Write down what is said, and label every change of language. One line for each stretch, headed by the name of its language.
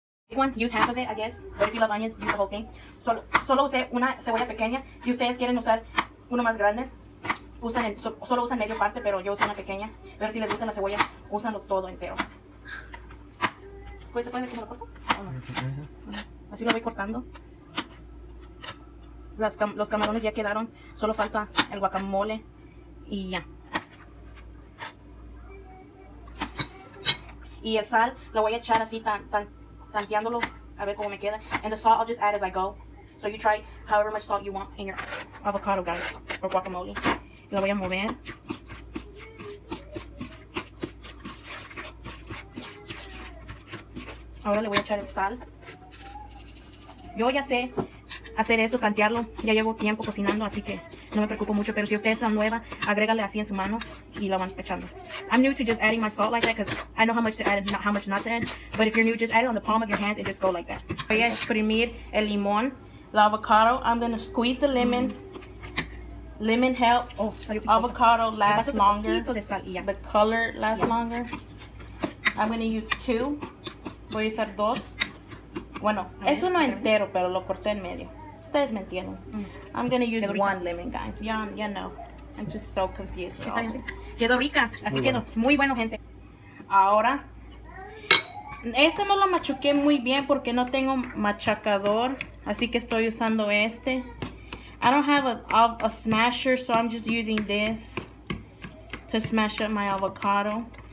English: One, use half of it, I guess. But if you love onions, use the whole thing.
Spanish: Solo usé una cebolla pequeña. Si ustedes quieren usar uno más grande, usan solo usan medio parte, pero yo usé una pequeña. Pero si les gusta la cebolla, úsalo todo entero. ¿Se puede ver cómo lo corto? Oh, no. Así lo voy cortando. Los camarones ya quedaron. Solo falta el guacamole y ya. Y el sal lo voy a echar así tan tanteándolo, a ver cómo me queda.
English: And the salt I'll just add as I go. So you try however much salt you want in your avocado, guys, or guacamole.
Spanish: Y lo voy a mover. Ahora le voy a echar el sal. Yo ya sé hacer esto, tantearlo. Ya llevo tiempo cocinando, así que no me preocupo mucho. Pero si usted es nueva, agrégale así en su mano y la van echando.
English: I'm new to just adding my salt like that because I know how much to add and how much not to add. But if you're new, just add it on the palm of your hands and just go like that.
Spanish: Voy a exprimir el limón, el avocado.
English: I'm going to squeeze the lemon. Lemon helps. Oh, avocado lasts longer.
Spanish: De sal, yeah.
English: The color lasts longer. I'm going to use two.
Spanish: Voy a usar dos. Bueno, es uno entero, pero lo corté en medio. Ustedes me entienden.
English: I'm going to use one lemon, guys. Yeah, no. I'm just so confused.
Spanish: Quedó rica. Así muy quedó. Bueno. Muy bueno, gente. Ahora, esto no lo machuqué muy bien porque no tengo machacador. Así que estoy usando este.
English: I don't have a smasher, so I'm just using this to smash up my avocado.